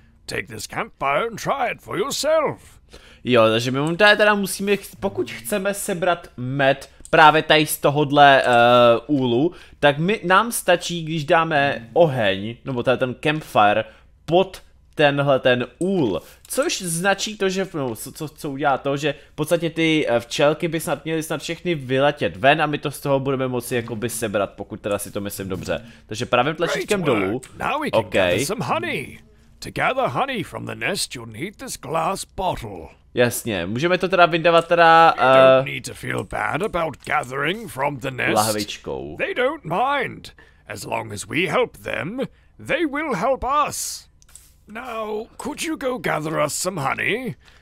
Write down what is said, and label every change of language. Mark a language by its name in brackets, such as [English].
[English] Take this campfire and try it for yourself. [Czech] Jo, takže my teda musíme, pokud chceme sebrat med právě tady z tohohle úlu, tak nám stačí, když dáme oheň, nebo tady ten campfire, pod tenhle ten úl. Což značí to, že, no, co udělá to, že v podstatě ty včelky by snad měly snad všechny vyletět ven a my to z toho budeme moci jakoby sebrat, pokud teda si to myslím dobře. Takže pravým tlačítkem dolů, okej. [English] Okay. To gather honey from the nest, you'll need this glass bottle. [Czech] Jasně, můžeme to teda vyndávat teda... [English] You don't need to feel bad about gathering from the nest. [Czech] Lahvičkou. [English] They don't mind. As long as we help them, they will help us. Now, could you go gather us some honey?